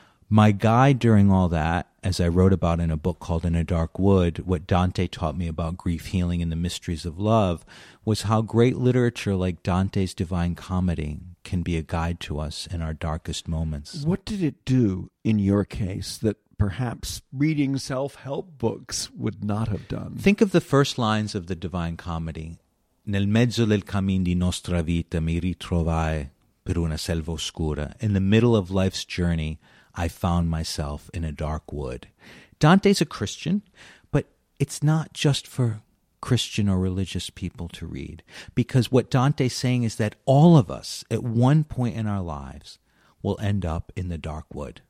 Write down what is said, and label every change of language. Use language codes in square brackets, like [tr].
[en] My guide during all that, as I wrote about in a book called In a Dark Wood, what Dante taught me about grief healing and the mysteries of love, was how great literature like Dante's Divine Comedy can be a guide to us in our darkest moments. What did it do in your case that perhaps reading self-help books would not have done? Think of the first lines of the Divine Comedy. [it] Nel mezzo del cammin di nostra vita mi ritrovai per una selva oscura. [en] In the middle of life's journey, I found myself in a dark wood. Dante's a Christian, but it's not just for Christian or religious people to read. Because what Dante's saying is that all of us, at one point in our lives, will end up in the dark wood.